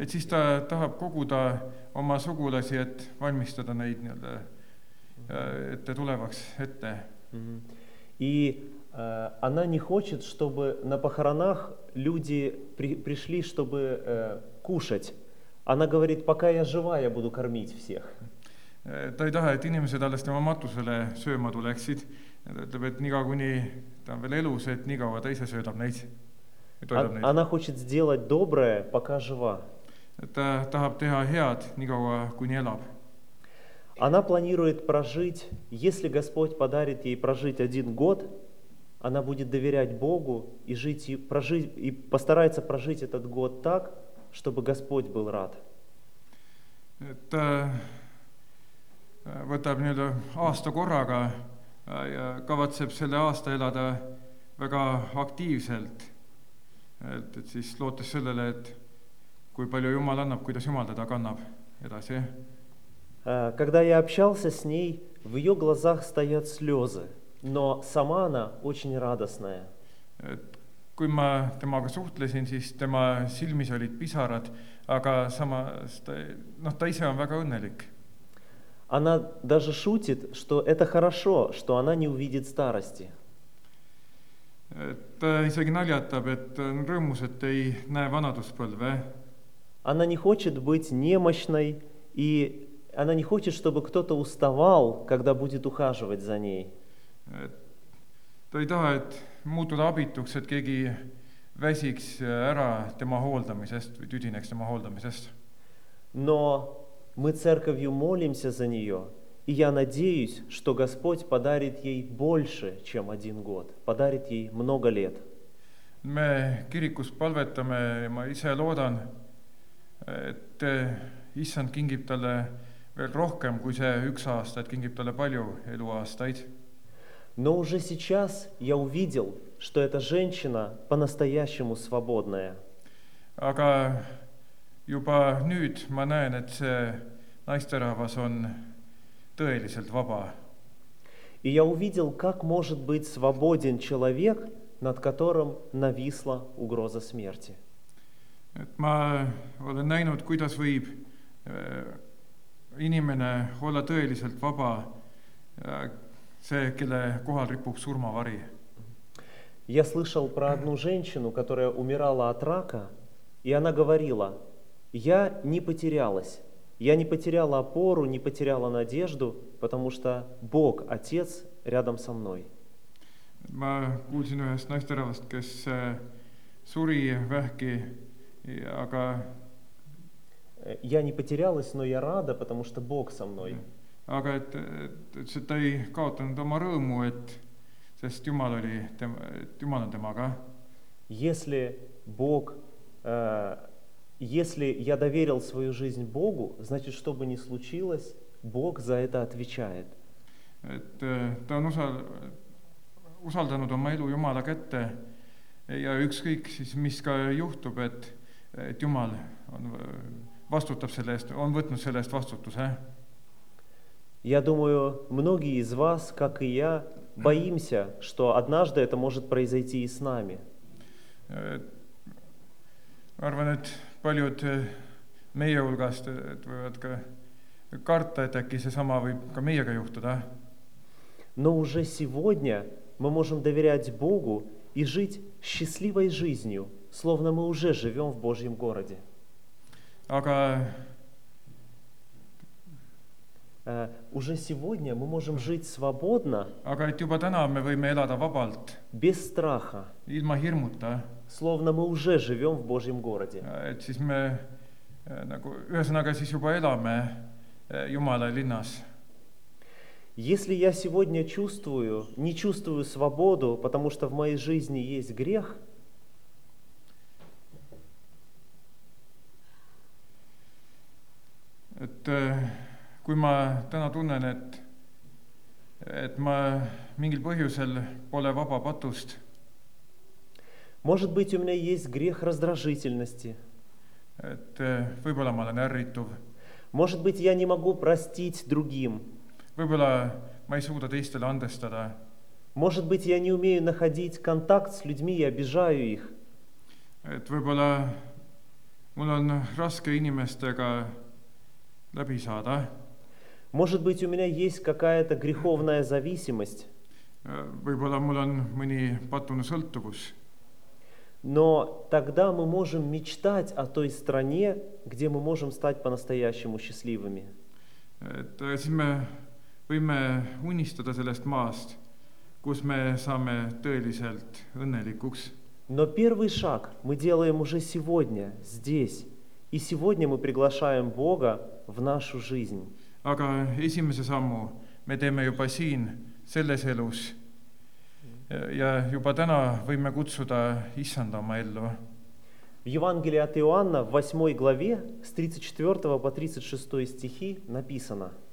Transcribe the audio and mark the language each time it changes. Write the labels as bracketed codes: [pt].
[et] Et siis ta tahab koguda oma sugulasi, et valmistada neid nii-öelda ette tulevaks ette. [ru] И она не хочет, чтобы на похоронах люди пришли, чтобы кушать. Она говорит, пока я жива, я буду кормить всех. [et] Ta ei taha, et inimesed alles tema matusele sööma tuleksid. Ta ütleb, et niga kuni ta on veel elus, et niga ta ise söödab neid. [ru] Она хочет сделать доброе, пока жива. Она планирует прожить, если Господь подарит ей прожить один год, она будет доверять Богу и жить, и постарается прожить этот год так, чтобы Господь был рад. Это [et] võtab nii-öelda aasta korraga ja kavatseb selle aasta elada väga aktiivselt. Et siis lootes sellele, et kui palju Jumal annab, kuidas Jumal teda kannab edasi. [ru] Когда я общался с ней, в ее глазах стоят слезы, но сама она очень радостная. [et] Kui ma temaga suhtlesin, siis tema silmis olid pisarad, aga sama, ta ise on väga õnnelik. [ru] Она даже шутит, что это хорошо, что она не увидит старости. [et] Ta isegi naljatab, et rõõmus, et ei näe vanaduspõlve. [ru] Она не хочет быть немощной, и она не хочет, чтобы кто-то уставал, когда будет ухаживать за ней. [et] Ta ei taha, et muutuda abituks, et keegi väsiks ära tema hooldamisest või tüdineks tema hooldamisest. [ru] Но мы церковью молимся за нее, и я надеюсь, что Господь подарит ей больше, чем один год, подарит ей много лет. [et] Me kirikus palvetame, ma ise loodan, et Issand kingib talle veel rohkem kui see üks aasta, et kingib talle palju eluaastaid. [ru] Но уже сейчас я увидел, что эта женщина по-настоящему свободная. [et] Aga juba nüüd ma näen, et see naisterahvas on tõeliselt vaba. [ru] И я увидел, как может быть свободен человек, над которым нависла угроза смерти. [et] Et ma olen näinud, kuidas võib inimene olla tõeliselt vaba, see, kelle kohal ripub surmavari. [ru] Я слышал про одну женщину, которая умирала от рака, и она говорила: я не потерялась. Я не потеряла опору, не потеряла надежду, потому что Бог, Отец, рядом со мной. [et] Ma kuulsin ühest naisterahvast, kes suri vähki, aga... [ru] Я не потерялась, но я рада, потому что Бог со мной. [et] Aga et ta ei kaotanud oma rõõmu, et sest Jumal oli tema, et Jumal on temaga. [ru] Если Бог... Если я доверил свою жизнь Богу, значит, что бы ни случилось, Бог за это отвечает. [et] Et, ta on usaldanud oma elu Jumala kätte ja ükskõik siis, mis ka juhtub, et Jumal on, vastutab selle eest, on võtnud selle eest vastutuse. [ru] Я думаю, многие из вас, как и я, боимся, что однажды это может произойти и с нами. [et] Arvan, et paljud meie hulgast võivad ka karta, et äkki see sama võib ka meiega juhtuda. [ru] Но уже сегодня мы можем доверять Богу и жить счастливой жизнью, словно мы уже живем в Божьем городе. [et] Aga... [ru] Уже сегодня мы можем жить свободно, [et] aga, et juba täna me võime elada vabalt, [ru] без страха, [et] ilma hirmuta, [ru] словно мы уже живем в Божьем городе. [et] Et siis me, nagu, ühesõnaga siis juba elame Jumala linnas. [ru] Если я сегодня чувствую, не чувствую свободу, потому что в моей жизни есть грех, [et] et, kui ma täna tunnen, et ma mingil põhjusel pole vaba patust. [ru] Может быть, у меня есть грех раздражительности. [et] Et võib-olla ma olen ärrituv. [ru] Может быть, я не могу простить другим. [et] Võib-olla ma ei suuda teistele andestada. [ru] Может быть, я не умею находить контакт с людьми и обижаю их. [et] Et võib-olla mul on raske inimestega läbi saada. [ru] Может быть, у меня есть какая-то греховная зависимость. [et] Võib-olla mul on mõni patune sõltuvus. [ru] Но тогда мы можем мечтать о той стране, где мы можем стать по-настоящему счастливыми. [et] Et siis me võime unistada sellest maast, kus me saame tõeliselt õnnelikuks. [ru] Но первый шаг мы делаем уже сегодня, здесь. И сегодня мы приглашаем Бога в нашу жизнь. [et] Aga esimese sammu me teeme juba siin, selles elus. Ja juba täna võime kutsuda Issanda oma ellu. [ru] В Евангелии от Иоанна, в 8 главе, с 34 по 36 стихи написано.